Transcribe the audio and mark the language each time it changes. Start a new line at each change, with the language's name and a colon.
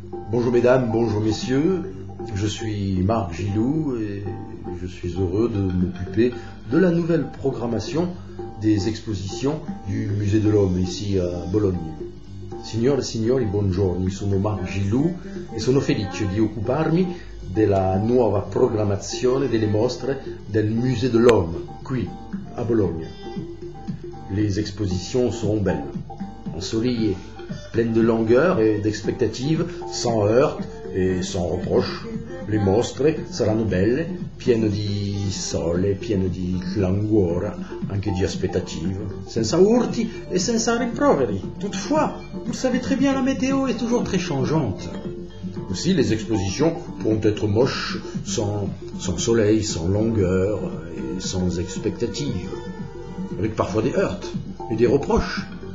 French: Bonjour mesdames, bonjour messieurs, je suis Marc Gilou et je suis heureux de m'occuper de la nouvelle programmation des expositions du Musée de l'Homme ici à Bologne.
Italian: Signore, signori, buongiorno, sono Marc Gilou e sono felice di occuparmi della nuova programmazione delle mostre del Musée de l'Homme qui à Bologne.
French: Les expositions seront belles, ensoleillées, pleines de langueur et d'expectative, sans heurts et sans reproches. Les mostres seront belles, pleines de sole, pleines de languor,
Italian: anche di aspettative, senza urti et senza riproveri.
French: Toutefois, vous savez très bien, la météo est toujours très changeante. Aussi, les expositions pourront être moches, sans soleil, sans longueur et sans expectative, avec parfois des heurts et des reproches.